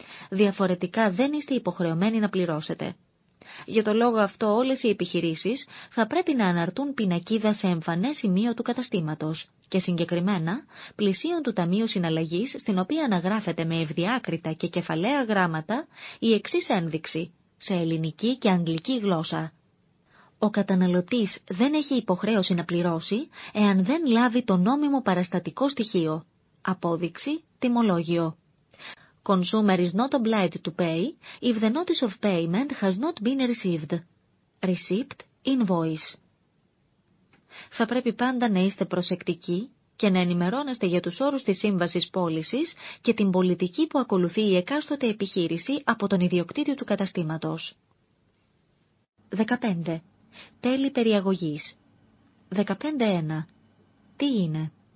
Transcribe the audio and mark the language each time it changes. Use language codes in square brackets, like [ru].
[el] Διαφορετικά δεν είστε υποχρεωμένοι να πληρώσετε. Για το λόγο αυτό όλες οι επιχειρήσεις θα πρέπει να αναρτούν πινακίδα σε εμφανέ σημείο του καταστήματος και συγκεκριμένα πλησίον του Ταμείου Συναλλαγής στην οποία αναγράφεται με ευδιάκριτα και κεφαλαία γράμματα η εξής ένδειξη σε ελληνική και αγγλική γλώσσα. Ο καταναλωτής δεν έχει υποχρέωση να πληρώσει εάν δεν λάβει το νόμιμο παραστατικό στοιχείο. Απόδειξη, τιμολόγιο. [en] Consumer is not obliged to pay if the notice of payment has not been received. Receipt, invoice. [el] Θα πρέπει πάντα να είστε προσεκτικοί και να ενημερώνεστε για τους όρους της σύμβασης πώλησης και την πολιτική που ακολουθεί η εκάστοτε επιχείρηση από τον ιδιοκτήτη του καταστήματος. 15. Τέλη περιαγωγής. 15.1. Τι είναι?